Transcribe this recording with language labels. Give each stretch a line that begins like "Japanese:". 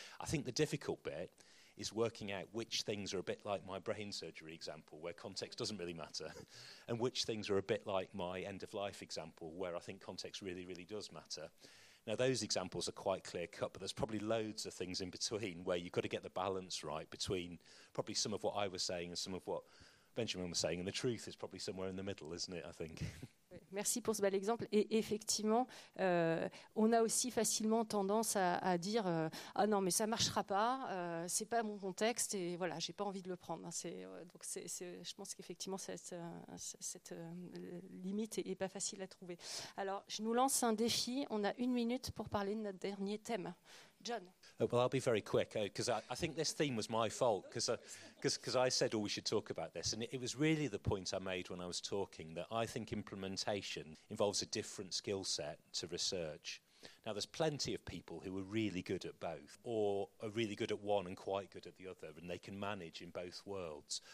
English: I think the difficult bit is working out which things are a bit like my brain surgery example, where context doesn't really matter, and which things are a bit like my end-of-life example, where I think context really, really does matter. Now, those examples are quite clear-cut, but there's probably loads of things in between where you've got to get the balance right between probably some of what I was saying and some of what Benjamin was saying, and the truth is probably somewhere in the middle, isn't it, I think.
French: Merci pour ce bel exemple. Et effectivement, on a aussi facilement tendance à dire ah non, mais ça ne marchera pas, c'est pas mon contexte, et voilà, j'ai pas envie de le prendre. Donc je pense qu'effectivement, cette limite n'est pas facile à trouver. Alors, je nous lance un défi. On a une minute pour parler de notre dernier thème. John.
English: Oh, well, I'll be very quick because I think this theme was my fault because I said, oh, we should talk about this. And it was really the point I made when I was talking that I think implementation involves a different skill set to research. Now, there's plenty of people who are really good at both or are really good at one and quite good at the other, and they can manage in both worlds.